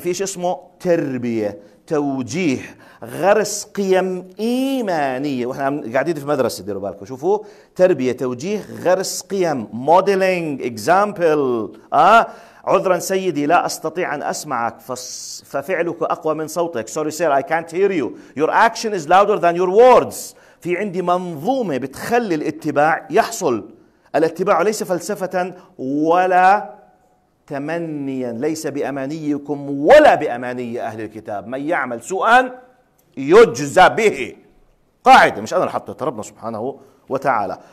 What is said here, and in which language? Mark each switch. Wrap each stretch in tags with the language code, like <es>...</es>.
<ar>فيش اسمه تربية، توجيه، غرس قيم إيمانية. وإحنا قاعدين في مدرسة، ديروا بالكم. شوفوا تربية، توجيه، غرس قيم، موديلينج، إكزامبل. عذرا سيدي لا أستطيع أن أسمعك ففعلك أقوى من صوتك.</ar> <en>Sorry sir, I can't hear you. Your action is louder than your words.</en> <ar>في عندي منظومة بتخلي الاتباع يحصل. الاتباع ليس فلسفة ولا تمنيا، ليس بأمانيكم ولا بأماني أهل الكتاب. من يعمل سوءا يجزى به. قاعدة، مش أنا حطيت، ربنا سبحانه وتعالى.</ar>